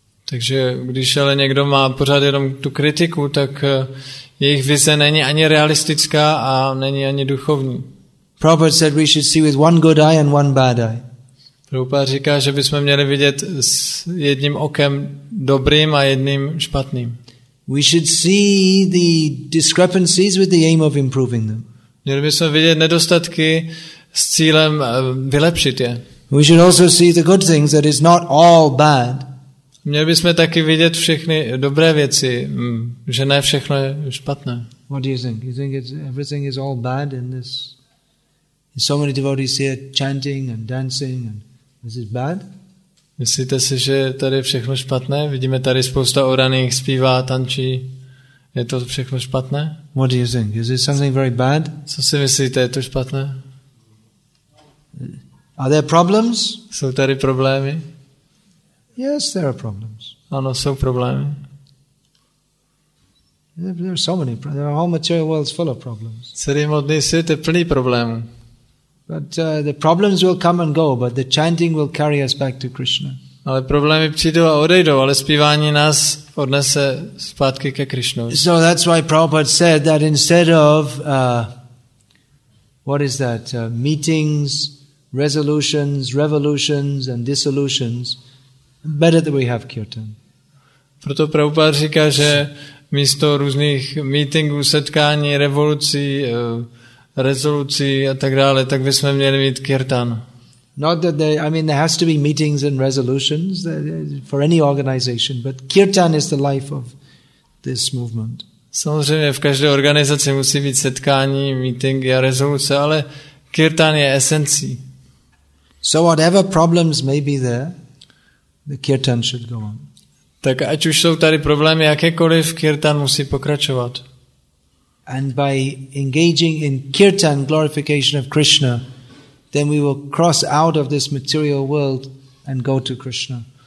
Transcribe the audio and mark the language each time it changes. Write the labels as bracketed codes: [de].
[cs] Takže když ale někdo má pořád jenom tu kritiku, tak jejich vize není ani realistická a není ani duchovní. [en] Prabhupada said we should see with one good eye and one bad eye. [cs] Prabhupada říká, že bychom měli vidět s jedním okem dobrým a jedním špatným. [en] We should see the discrepancies with the aim of improving them. [cs] Měli bychom vidět nedostatky s cílem vylepšit je. [en] We should also see the good things, that is not all bad. [cs] Měli bychom taky vidět všechny dobré věci, že ne všechno je špatné. [en] What do you think? You think it's, everything is all bad in this? So many devotees here chanting and dancing, and this is bad? [cs] Myslíte si, že tady je všechno špatné? Vidíme tady spousta oraných, zpívá, tančí. Je to všechno špatné? [en] What do you think? Is it something very bad? [cs] Co si myslíte, je to špatné? [en] Are there problems? [cs] Jsou tady problémy? [en] Yes, there are problems. [cs] Ano, jsou problémy. [en] There are so many problems. The whole material world is full of problems. [cs] Celý hmotný svět je plný problémů. [en] But the problems will come and go, but the chanting will carry us back to Krishna. [cs] Ale problémy přijdou a odejdou, ale zpívání nás odnese zpátky ke Krishnovi. [en] So that's why Prabhupada said that instead of what is that? Meetings, resolutions, revolutions and dissolutions, better that we have kirtan. [cs] Proto Prabhupada říká, že místo různých meetingů, setkání, revolucí, rezolucí a tak dále, tak bychom měli mít kirtan. [en] Not that they, I mean, there has to be meetings and resolutions for any organization, but kirtan is the life of this movement. [cs] Samozřejmě v každé organizaci musí být setkání, meetingy a rezoluce, ale kirtan je esencí. [en] So whatever problems may be there, the kirtan should go on. [cs] Tak ať už jsou tady problémy jakékoliv, kirtan musí pokračovat. [en] And by engaging in kirtan, glorification of Krishna, then we will cross out of this material world and go to Krishna.